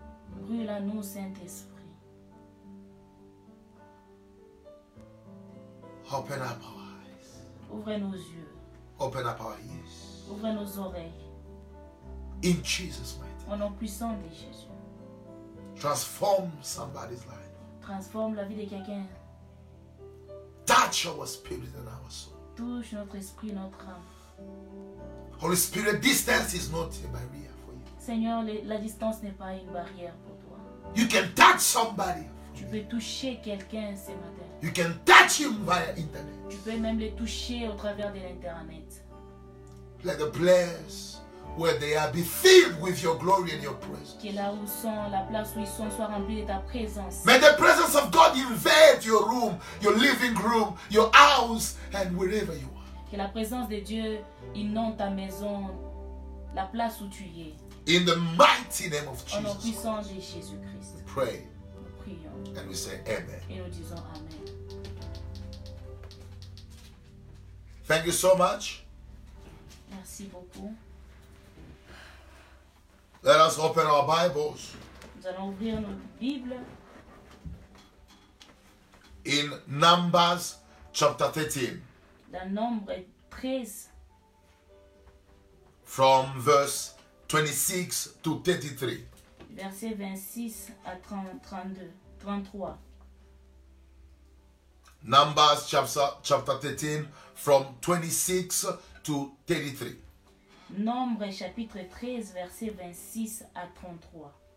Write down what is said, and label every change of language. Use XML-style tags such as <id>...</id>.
<fr>Brûle en nous, Saint-Esprit.</fr> <en>Open up our eyes.</en> <fr>Ouvre nos yeux.</fr> <en>Open up our ears.</en> <fr>Ouvre nos oreilles.</fr> <en>In Jesus' mighty.</en> <fr>Au nom puissant de Jésus.</fr> <en>Transform somebody's life.</en> <fr>Transforme la vie de quelqu'un.</fr> <en>Touch our spirit and our soul.</en> <fr>Touche notre esprit, notre âme.</fr> <en>Holy Spirit, distance is not a barrier for you.</en> <fr>Seigneur, la distance n'est pas une barrière pour toi.</fr> <en>You can touch somebody.</en> <fr>Tu peux toucher quelqu'un ce matin.</fr> <en>You can touch him via internet.</en> <fr>Tu peux même le toucher au travers de l'internet.</fr> <en>Let the prayers where they are be filled with your glory and your presence.</en> <fr>Que là où sont, la place où ils sont soit remplie de ta présence.</fr> <en>May the presence of God invade your room, your living room, your house, and wherever you are.</en> <fr>Que la présence de Dieu inonde ta maison, la place où tu es.</fr> <en>In the mighty name of Jesus.</en> <fr>Au nom puissant de Jésus Christ.</fr> <en>We pray.</en> <fr>Nous prions.</fr> <en>And we say amen.</en> <fr>Et nous disons amen.</fr> <en>Thank you so much.</en> <fr>Merci beaucoup.</fr> <en>Let us open our Bibles.</en> <fr>Nous allons ouvrir nos Bibles.</fr> <en>In Numbers chapter 13.</en> <fr>Dans Nombre 13.</fr> <en>From verse 26 to 33.</en> <fr>Verset 26 à 33.</fr> <en>Numbers chapter 13 from 26 to 33.</en> <fr>Nombre chapitre 13, verset 26 à 33.</fr>